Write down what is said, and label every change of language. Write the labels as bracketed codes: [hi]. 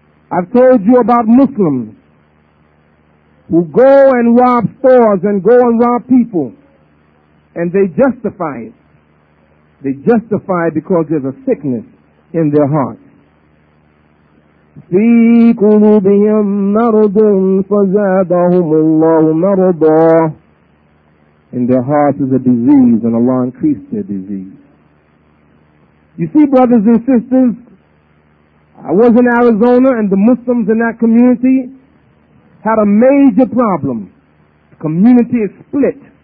[en] I've told you about Muslims who go and rob stores and go and rob people, and they justify it. They justify it because there's a sickness in their heart. [ar] في قلوبهم مرض فزادهم الله مرضا. [en] In their hearts is a disease, and Allah increased their disease. You see, brothers and sisters, I was in Arizona, and the Muslims in that community had a major problem. The community is split.